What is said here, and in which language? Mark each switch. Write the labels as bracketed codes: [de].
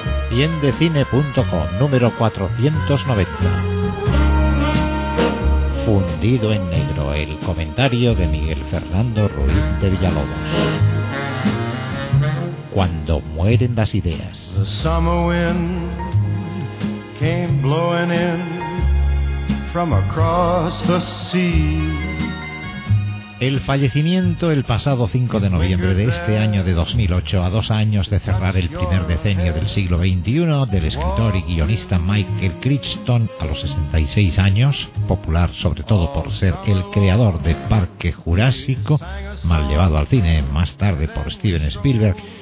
[es] Ciendecine.com, número 490. Fundido en negro, el comentario de Miguel Fernando Ruiz de Villalobos. Cuando mueren las ideas. [en] The summer wind came blowing in from across the sea. [es] El fallecimiento el pasado 5 de noviembre de este año de 2008, a dos años de cerrar el primer decenio del siglo XXI, del escritor y guionista Michael Crichton, a los 66 años, popular sobre todo por ser el creador de Parque Jurásico, mal llevado al cine más tarde por Steven Spielberg